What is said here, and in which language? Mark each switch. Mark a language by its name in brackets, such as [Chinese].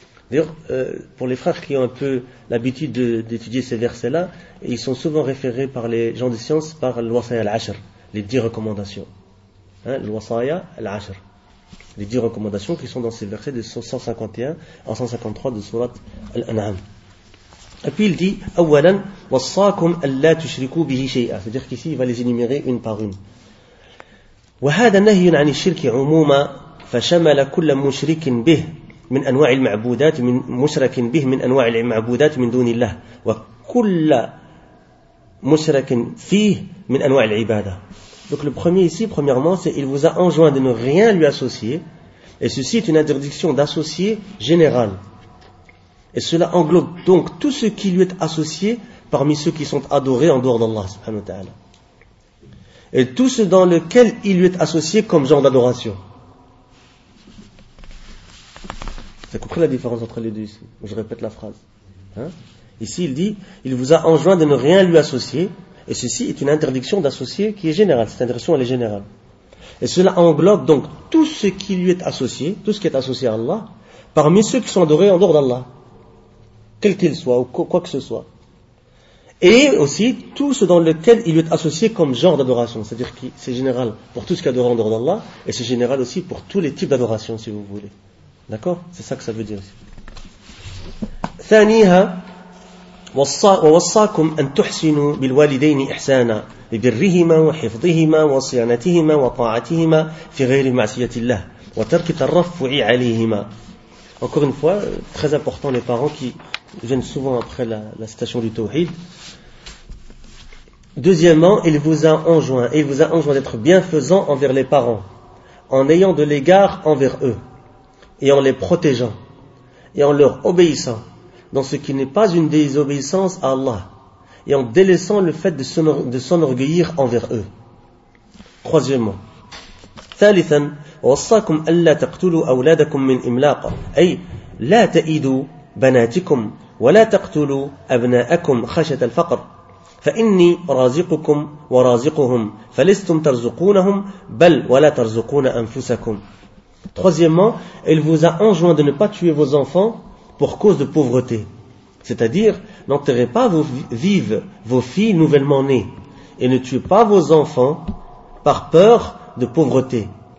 [French] D'ailleurs, pour les frères qui ont un peu l'habitude d'étudier ces versets-là, ils sont souvent référés par les gens de science par l'Wasaya al-Ashr, les 10 recommandations. L'Wasaya al-Ashr, les 10 recommandations qui sont dans ces versets de 151 à 153 de Surat al-An'am. Et puis il dit, « [Arabic] Awwalan, wassakum alla tushriku bihi shay'a. [French] » C'est-à-dire qu'ici, il va les énumérer une par une. [Arabic] « Wahada nahiyun ani shirki umuma, fashamala kulla mushrikin bih. » من أنواع المعبودات من مشرك به من أنواع المعبودات من دون الله وكل مشرك فيه من أنواع العبادة. [French] Donc le premier ici, premièrement, c'est il vous a enjoint de ne rien lui associer, et ceci est une interdiction d'associer générale, et cela englobe donc tout ce qui lui est associé parmi ceux qui sont adorés en dehors d'Allah subhanahu wa ta'ala, et tout ce dans lequel il lui est associé comme genre d'adoration. Vous avez compris la différence entre les deux ici? Je répète la phrase. Ici, il dit, il vous a enjoint de ne rien lui associer, et ceci est une interdiction d'associer qui est générale. Cette interdiction, elle est générale. Et cela englobe donc tout ce qui lui est associé, tout ce qui est associé à Allah, parmi ceux qui sont adorés en dehors d'Allah, quel qu'il soit, ou quoi que ce soit. Et aussi, tout ce dans lequel il lui est associé comme genre d'adoration. C'est-à-dire que c'est général pour tout ce qui est adoré en dehors d'Allah, et c'est général aussi pour tous les types d'adoration, si vous voulez. D'accord ? C'est ça que ça veut dire ici. [Arabic] ثانيها ووصاكم أن تحسنوا بالوالدين إحسانا لبرهما وحفظهما وصيانتهما وطاعتهما في غير معصية الله وترك الترفع عليهما. [French] Encore une fois, très important, les parents qui viennent souvent après la station du Tawhid. Deuxièmement, il vous a enjoint d'être bienfaisant envers les parents, en ayant de l'égard envers eux, et en les protégeant, et en leur obéissant, dans ce qui n'est pas une désobéissance à Allah, et en délaissant le fait de s'enorgueillir envers eux. Troisièmement. [Arabic] ثالثاً وصاكم ألا تقتلوا أولادكم من إملاق أي لا تأيدوا بناتكم ولا تقتلوا أبناءكم خشية الفقر فإني رازقكم ورازقهم فلستم ترزقونهم بل ولا ترزقون أنفسكم. [French] Troisièmement, elle vous a enjoint de ne pas tuer vos enfants pour cause de pauvreté. C'est-à-dire, n'enterrez pas vos filles nouvellement nées et ne tuez pas vos enfants par peur de pauvreté.